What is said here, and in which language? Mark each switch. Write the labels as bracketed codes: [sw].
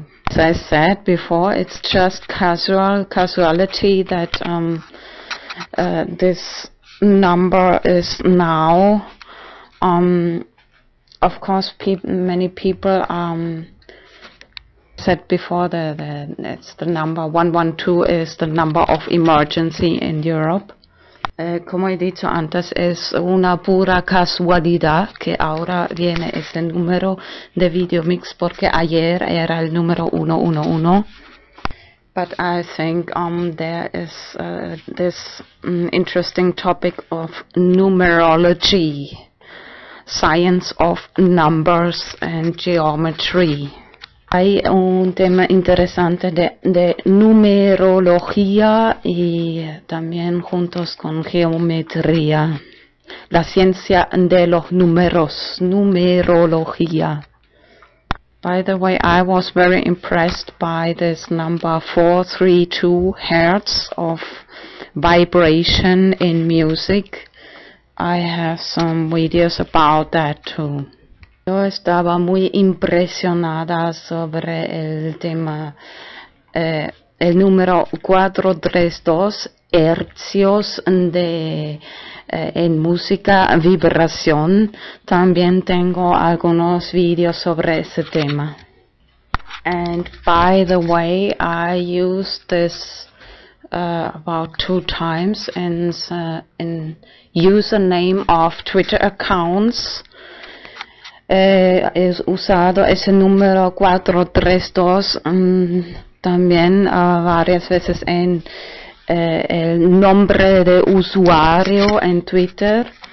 [en] As I said before, it's just casualty that this number is now, of course, many people said before it's the number 112 is the number of emergency in Europe. [es] Como he dicho antes, es una pura casualidad que ahora viene este número de VideoMix, porque ayer era el número 111. [en] But I think there is this interesting topic of numerology, science of numbers and geometry. [es] Hay un tema interesante de numerología y también juntos con geometría, la ciencia de los números, numerología. [en] By the way, I was very impressed by this number 432 hertz of vibration in music. I have some videos about that too. [es] Yo estaba muy impresionada sobre el tema, el número 432 hercios de en música, vibración. También tengo algunos videos sobre ese tema. [en] And by the way, I used this about 2 times in username of Twitter accounts. [es] He usado ese número 432 también varias veces en el nombre de usuario en Twitter,